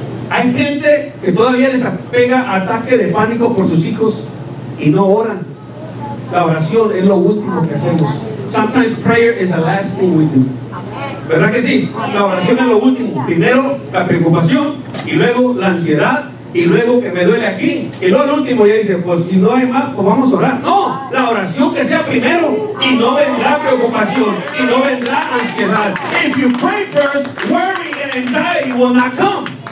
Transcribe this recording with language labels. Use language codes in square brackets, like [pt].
[es] Hay gente que todavía les pega ataque de pánico por sus hijos y no oran. La oración es lo último que hacemos. [en] Sometimes prayer is the last thing we do. [es] ¿Verdad que sí? La oración es lo último. Primero la preocupación y luego la ansiedad y luego que me duele aquí. Y luego el último ya dice, pues si no hay más, pues vamos a orar. No, la oración que sea primero y no vendrá preocupación y no vendrá ansiedad. [en] If you pray first, worry and anxiety will not come.